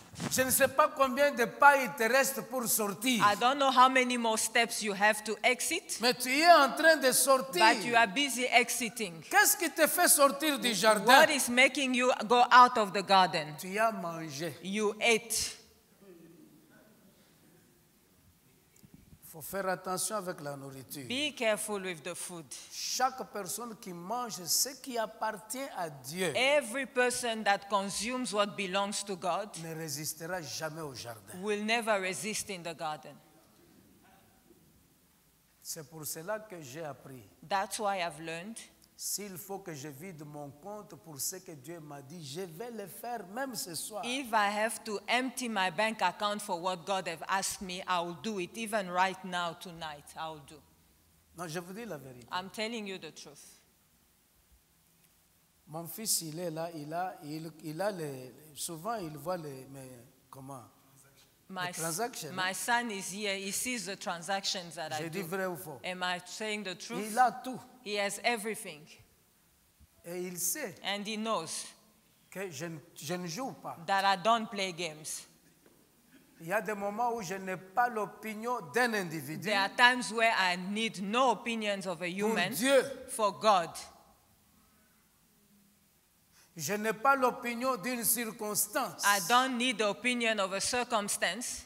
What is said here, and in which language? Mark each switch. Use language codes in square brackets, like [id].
[fr] Je ne sais pas combien de pas il te reste pour sortir. [en] I don't know how many more steps you have to exit. [fr] Mais tu es en train de sortir. [en] But you are busy exiting. [fr] Qu'est-ce qui te fait sortir du jardin? [en] What is making you go out of the garden? [fr] Tu as mangé. [en] You ate. [fr] Faut faire attention avec la nourriture. [en] Be careful with the food. [fr] Chaque personne qui mange ce qui appartient à Dieu. [en] Every person that consumes what belongs to God. [fr] Ne résistera jamais au jardin. [en] Will never resist in the garden. [fr] C'est pour cela que j'ai appris. [en] That's why I've learned. [fr] S'il faut que je vide mon compte pour ce que Dieu m'a dit, je vais le faire même ce soir. [en] If I have to empty my bank account for what God has asked me, I will do it. Even right now, tonight, I will do. [fr] Non, je vous dis la vérité. [en] I'm telling you the truth. [fr] Mon fils, il est là, il a les, souvent il voit les, mais comment? [en] My, transaction. My son is here. He sees the transactions that [fr] je [en] I [fr] dis [en] do. [fr] Vrai ou faux? [en] Am I saying the truth? [fr] Il a tout. [en] He has everything. [fr] Et il sait. [en] And he knows. [fr] Que je ne joue pas. [en] That I don't play games. [fr] Il y a des moments où je n'ai pas l'opinion d'un individu. [en] There are times where I need no opinions of a human. [fr] Pour Dieu. [en] For God. [fr] Je n'ai pas l'opinion d'une circonstance. [en] I don't need the opinion of a circumstance.